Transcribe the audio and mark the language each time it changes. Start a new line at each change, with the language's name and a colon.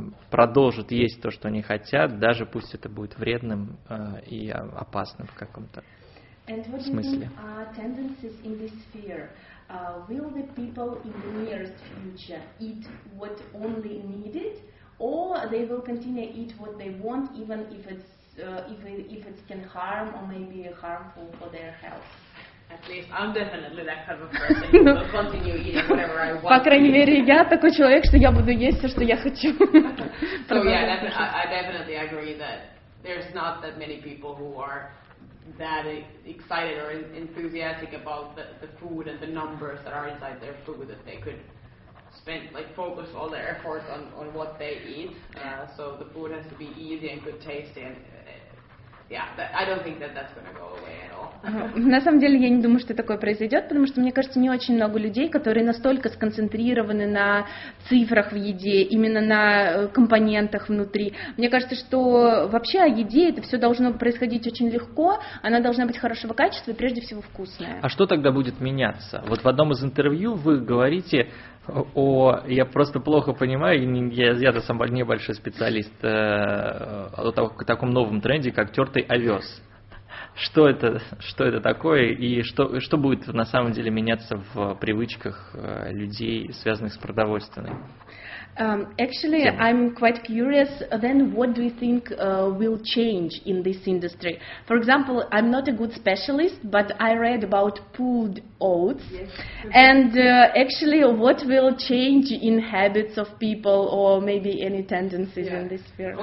Russian: продолжат есть то, что они хотят, даже пусть это будет вредным и опасным в каком-то смысле?
English: Will the people in the nearest future eat what only needed, or they will continue to eat what they want, even if it can harm or maybe harmful for their health? At least I'm definitely that kind of person. I'll continue eating whatever I want. По крайней мере, я такой человек, что я буду есть все, что я хочу. So yeah, I definitely agree that there's not that many people who are that excited or enthusiastic about the food and the numbers that are inside their food that they could spend, like, focus all their efforts on what they eat. So the food has to be easy and good taste, and yeah, I don't think that that's gonna go away at all.
Russian: На самом деле, я не думаю, что такое произойдет, потому что мне кажется, не очень много людей, которые настолько сконцентрированы на цифрах в еде, именно на компонентах внутри. Мне кажется, что вообще о еде это все должно происходить очень легко, она должна быть хорошего качества и прежде всего вкусная. А что тогда будет меняться? Вот в одном из интервью вы говорите о, я просто плохо понимаю, я-то сам небольшой специалист о таком новом тренде, как тертый овес. Что это такое и что будет на самом деле меняться в привычках людей, связанных с продовольственной?
English: Actually, I'm quite curious, then what do you think will change in this industry? For example, I'm not a good specialist, but I read about pulled oats. Yes. And actually, what will change in habits of people or maybe any tendencies in this sphere?